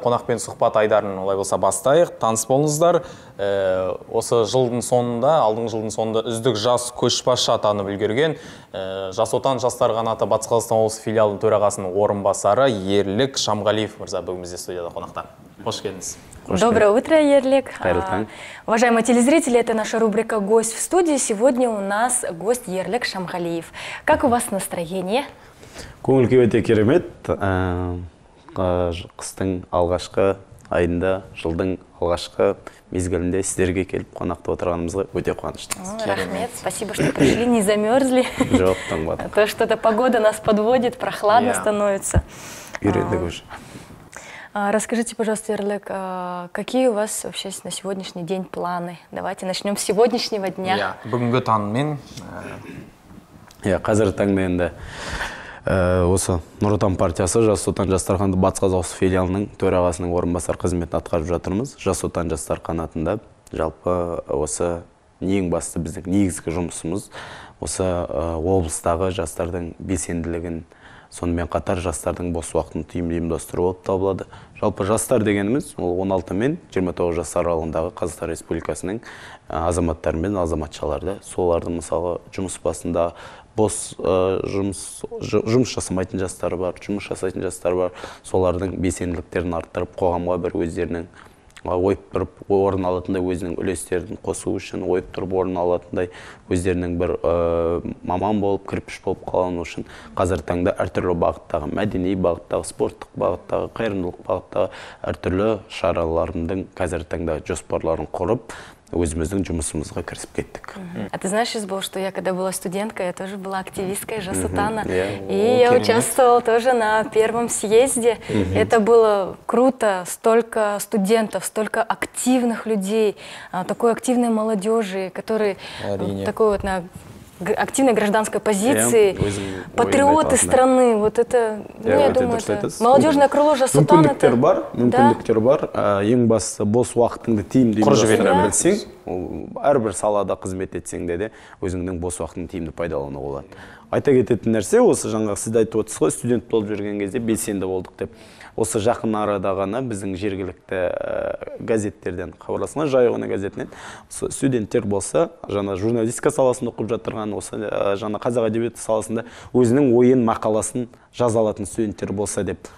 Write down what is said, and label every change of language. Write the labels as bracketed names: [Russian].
[Kazakh] Қонақпен сұхбат айдарын олай болса бастайық. Таныс болыңыздар. Осы жылдың соңында, алдың жылдың соңында үздік жас көшбасшы атанып үлгерген Жас Отан жастар қанаты Батыс Қазақстан облысы филиалының төрағасының орынбасары Ерлік Шамғалиев мырза бүгін бізде студияда қонақта. Қош келдіңіз. [Russian] Доброе утро, Ерлик. Уважаемые телезрители, это наша рубрика «Гость в студии». Сегодня у нас гость Ерлик Шамғалиев. Как у вас настроение? [Kazakh] Көңілге өте керемет. Қыстың алғашқы айында, жылдың алғашқы мезгілінде сіздерге келіп қонақты отырғанымызға өте қуаныштымыз. [Russian] Рахмет, спасибо, что пришли, не замерзли. [Kazakh] Жоқ, таңбадық. [Russian] То, что эта погода нас подводит, прохладно становится. [Kazakh] Үйрендік уже. [Russian] Расскажите, пожалуйста, Ерлик, какие у вас вообще на сегодняшний день планы? Давайте начнем с сегодняшнего дня. [Kazakh] Бүгінгі таңмен. Қазір таңмен де осы Нұр Отан партиясы Жас Отан жастар қанаты Батыс Қазақстан филиалының төрағасының орынбасары қызметін атқарып жатырмыз. Жас Отан жастар қанатында жалпы осы ең басты біздің негізгі жұмысымыз осы облыстағы жастардың белсенділігін сонымен қатар жастардың бос уақытын тиімді ұйымдастыру болып табылады. Жалпы жастар дегеніміз ол 16 мен 29 жас аралығындағы Қазақстан Республикасының азаматтары мен азаматшалары. Солардың мысалы жұмыс басында бос жұмыс жасамайтын жастар бар, жұмыс жасайтын жастар бар. Солардың белсенділіктерін арттырып, қоғамға бір өздерінің ойып тұрып орын алатындай өзінің үлестерін қосу үшін, ойып тұрып орын алатындай өздерінің бір маман болып, кірпіш болып қалану үшін қазіргі таңда әртүрлі бағыттағы, мәдени бағыттағы, спорттық бағыттағы, қайырымдылық бағыттағы әртүрлі шаралардың қазіргі таңда жоспарларын құрып, өзіміздің жұмысымызға кірісіп кеттік. [Russian] А ты знаешь, сейчас был, что я когда была студентка, я тоже была активисткой Жасутана. Yeah. [Kazakh] И о, я керемет. [Russian] Участвовала тоже на первом съезде. Это было круто. Столько студентов, столько активных людей, такой активной молодежи, которые вот, такой вот на активной гражданской позиции, патриоты страны. Вот это, ну, я думаю, это молодежное крыло Жасутан. [Kazakh] Мүмкіндіктер бар, мүмкіндіктер бар. Ең басы бос уақытыңды тиімді ұйымдастыра білсең, әрбір салада қызмет етсең де, өзіңнің бос уақытыңды тиімді пайдалана болады. Айта кететін нәрсе, осы жаңғы сізді айтып отырсыз ғой, студент болып жүрген кезде белсенді болдық деп. Осы жақын арада ғана біздің жергілікті газеттерден хабарласқан, жайығының газетінен студенттер болса, жаңа журналистика саласында оқып жатырған, осы жаңа қазақ әдебиеті саласында өзінің ойын мақаласын жаза алатын студенттер болса деп.